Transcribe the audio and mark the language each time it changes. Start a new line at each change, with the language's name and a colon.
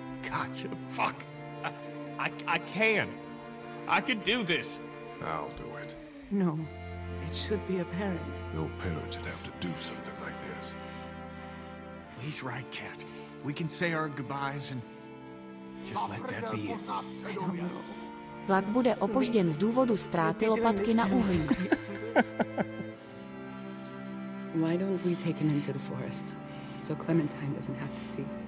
English: Gotcha. Fuck. I can. I can do this. I'll do it. No, it should be a parent. No parent should have to do something like this. He's right, Kat. We can say our goodbyes and just let that be it. I don't know.
Czech: Vlak bude opožděn z důvodu ztráty lopatky na uhlí.
English: Why don't we take him into the forest so Clementine doesn't have to see?